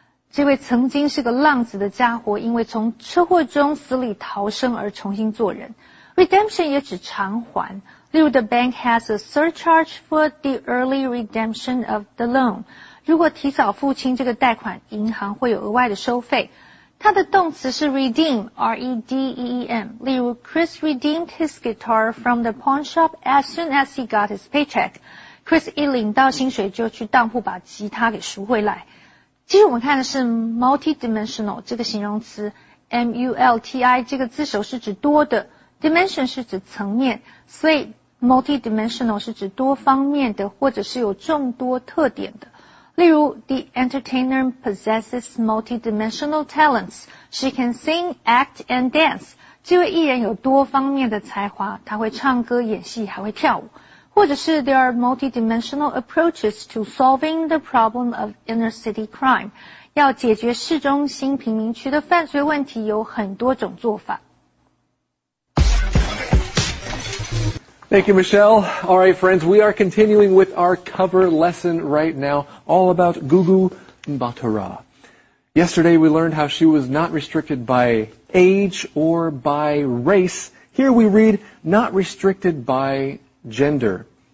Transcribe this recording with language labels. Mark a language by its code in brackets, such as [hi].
[zh] 这位曾经是个浪子的家伙，因为从车祸中死里逃生而重新做人。 Redemption 也指偿还。例如 [en] the bank has a surcharge for the early redemption of the loan. [zh] 如果提早付清这个贷款，银行会有额外的收费。它的动词是 [en] redeem, R-E-D-E-E-M. [zh] 例如 [en] Chris redeemed his guitar from the pawn shop as soon as he got his paycheck. [zh] Chris 一领到薪水就去当铺把吉他给赎回来。接着我们看的是 multidimensional 这个形容词 M-U-L-T-I 这个字首是指多的 dimension 是指层面，所以 multidimensional 是指多方面的或者是有众多特点的。例如 [en] The entertainer possesses multidimensional talents. She can sing, act, and dance. [zh] 这位艺人有多方面的才华，他会唱歌、演戏，还会跳舞。或者是 [en] There are multidimensional approaches to solving the problem of inner city crime. [zh] 要解决市中心贫民区的犯罪问题，有很多种做法。 [en] Thank you, Michelle. All right, friends, we are continuing with our cover lesson right now, all about Gugu Mbatha-Raw. Yesterday, we learned how she was not restricted by age or by race. Here we read, not restricted by gender.